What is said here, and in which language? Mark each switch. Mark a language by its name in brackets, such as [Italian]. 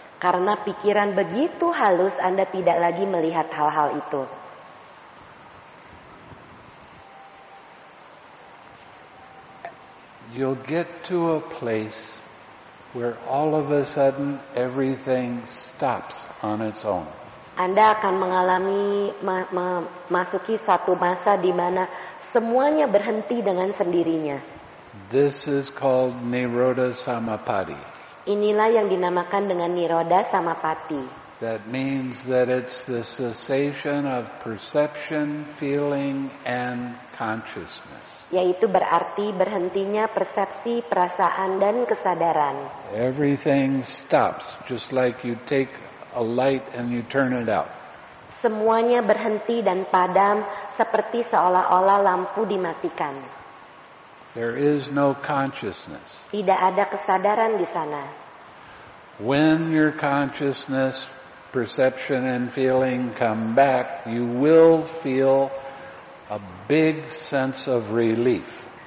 [Indonesian] Karena pikiran begitu halus, Anda tidak lagi melihat hal-hal itu. [English] You'll get to a place where all of a sudden everything stops on its own. [Indonesian] Anda akan mengalami memasuki satu masa di mana semuanya berhenti dengan sendirinya. [English] This is called Nirodha Samapatti. [Indonesian] Inilah yang dinamakan dengan Nirodha Samapatti. [English] That means that it's the cessation of perception, feeling, and consciousness. [Indonesian] Yaitu berarti berhentinya persepsi, perasaan, dan kesadaran. [English] Everything stops, just like you take a light and you turn it out. [Indonesian] Semuanya berhenti dan padam seperti seolah-olah lampu dimatikan. [English] There is no consciousness. [Indonesian] Tidak ada kesadaran di sana. [English] When your consciousness, perception, and feeling come back, you will feel a big sense of relief.